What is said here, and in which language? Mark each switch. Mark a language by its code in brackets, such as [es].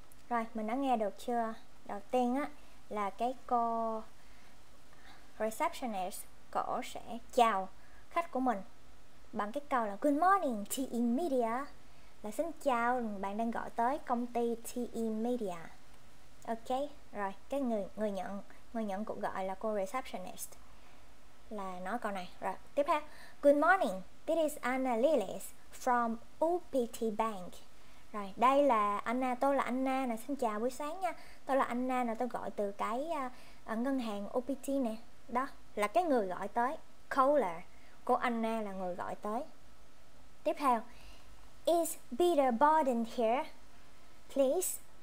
[vi] Rồi, mình đã nghe được chưa? Đầu tiên á, là cái cô receptionist, cổ sẽ chào khách của mình bằng cái câu là [en] good morning TE Media, [vi] là xin chào, bạn đang gọi tới công ty TE Media. Ok, rồi, cái người nhận cuộc gọi là cô receptionist, là nói câu này. Rồi, tiếp theo. [en] Good morning, this is Anna Lilies from UPT Bank. [vi] Rồi, đây là Anna, tôi là Anna nè, xin chào buổi sáng nha. Tôi là Anna nè, tôi gọi từ cái ngân hàng UPT nè. Đó, là cái người gọi tới, caller. Cô Anna là người gọi tới. Tiếp theo. [en] Is Peter Borden here, please?